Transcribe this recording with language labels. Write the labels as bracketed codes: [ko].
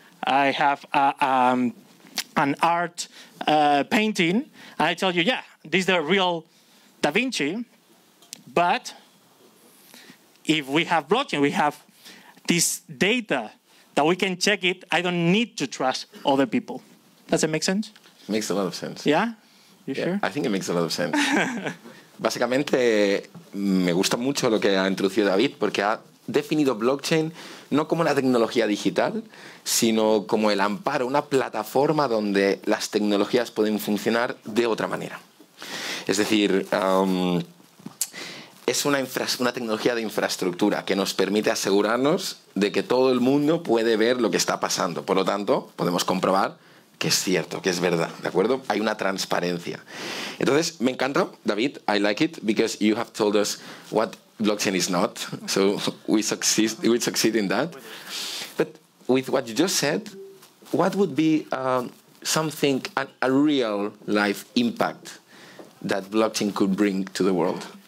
[en] I have an art painting, and I tell you, yeah, this is the real Da Vinci, but if we have blockchain, we have this data that we can check it, I don't need to trust other people. Does it make sense? Makes a lot of sense. Yeah? You sure? I think it makes a lot of sense. [es] Básicamente, me gusta mucho lo que ha introducido David, porque ha definido blockchain no como la tecnología digital, sino como el amparo, una plataforma donde las tecnologías pueden funcionar de otra manera. Es decir, es una tecnología de infraestructura que nos permite asegurarnos de que todo el mundo puede ver lo que está pasando. Por lo tanto, podemos comprobar que es cierto, que es verdad, ¿de acuerdo? Hay una transparencia. Entonces, me encanta, [en] David, I like it, because you have told us what blockchain is not. So we succeed in that. But with what you just said, what would be a real life impact that blockchain could bring to the world?